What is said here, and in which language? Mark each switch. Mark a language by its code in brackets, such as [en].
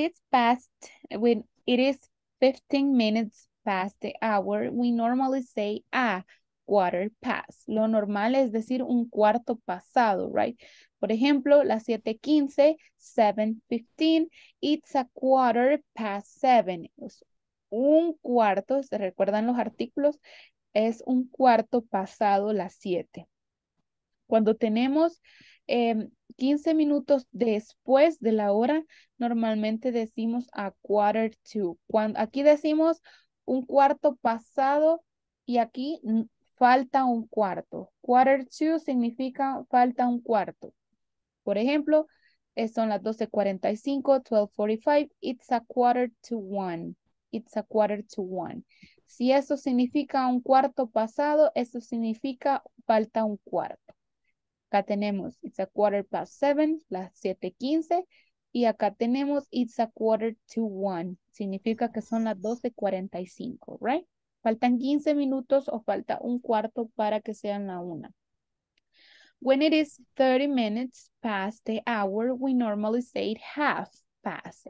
[en] When it is 15 minutes past the hour, we normally say a quarter past. [es] Lo normal es decir un cuarto pasado, right? Por ejemplo, las 7:15, 7:15, [en] it's a quarter past 7. [es] Es un cuarto, ¿se recuerdan los artículos? Es un cuarto pasado las 7. Cuando tenemos 15 minutos después de la hora, normalmente decimos a quarter to. Cuando, aquí decimos un cuarto pasado y aquí falta un cuarto. Quarter to significa falta un cuarto. Por ejemplo, son las [en] 12:45, 12:45, it's a quarter to one, it's a quarter to one. [es] Si eso significa un cuarto pasado, eso significa falta un cuarto, Acá tenemos [en] it's a quarter past seven, las 7:15. [es] Y acá tenemos [en] it's a quarter to one. [es] Significa que son las 12:45, right? Faltan 15 minutos o falta un cuarto para que sean la una. [en] When it is 30 minutes past the hour, we normally say it half past.